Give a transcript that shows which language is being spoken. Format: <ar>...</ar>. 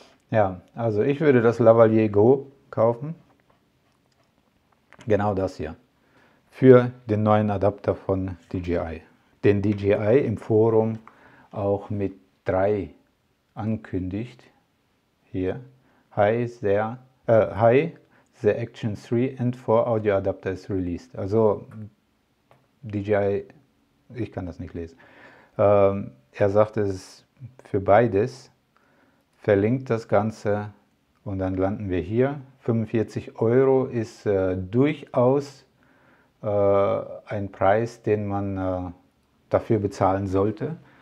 <de>Ja, also ich würde das Lavalier Go kaufen. Genau das hier. Für den neuen Adapter von DJI. Den DJI im Forum auch mit 3 ankündigt. Hier.</de> <en>Hi, the Action 3 and 4 Audio Adapter is released.</en> <de>Also DJI, ich kann das nicht lesen. Er sagt, es ist für beides. Verlinkt das Ganze und dann landen wir hier. 45 € ist durchaus ein Preis, den man dafür bezahlen sollte.</de>